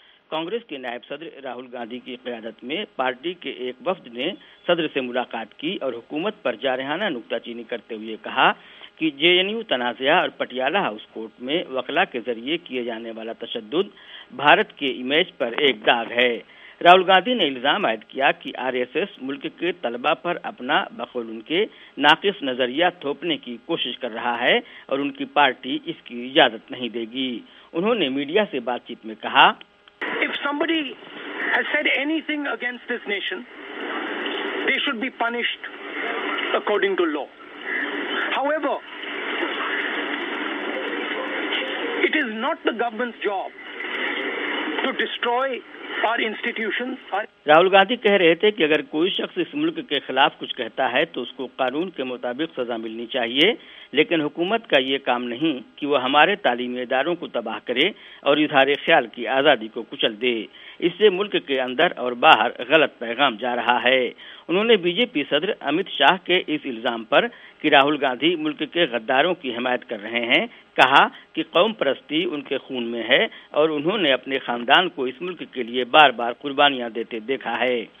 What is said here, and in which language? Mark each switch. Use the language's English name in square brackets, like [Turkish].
[Urdu] کانگریس کے نائب صدر راہل گاندھی کی قیادت میں پارٹی کے ایک وفد نے صدر سے ملاقات کی اور حکومت پر جارحانہ نکتہ چینی کرتے ہوئے کہا کہ جے این یو تنازعہ اور پٹیالہ ہاؤس کورٹ میں وکلا کے ذریعے کیے جانے والا تشدد بھارت کے امیج پر ایک داغ ہے۔ راہل گاندھی نے الزام عائد کیا کہ آر ایس ایس ملک کے طلبہ پر اپنا بقول ان کے ناقص نظریہ تھوپنے کی کوشش کر رہا ہے اور ان کی پارٹی اس کی اجازت نہیں دے گی۔ انہوں نے میڈیا سے بات چیت میں کہا، [English] If somebody has said anything against this nation, they should be punished according to law. However, it is not the government's job to destroy [Urdu] Rahul Gandhi کہہ رہے تھے کہ اگر کوئی شخص اس ملک کے خلاف کچھ کہتا ہے تو اس کو قانون کے مطابق سزا ملنی چاہیے، لیکن حکومت کا یہ کام نہیں کہ وہ ہمارے تعلیمی اداروں کو تباہ کرے اور اظہار خیال کی آزادی کو کچل دے، اس سے ملک کے اندر اور باہر غلط پیغام جا رہا ہے۔ انہوں نے بی جے پی صدر امت شاہ کے اس الزام پر کہ راہل گاندھی ملک کے غداروں کی حمایت کر رہے ہیں کہا کہ قوم پرستی ان کے خون میں ہے اور انہوں نے اپنے خاندان کو اس ملک کے لیے بار بار قربانیاں دیتے دیکھا ہے۔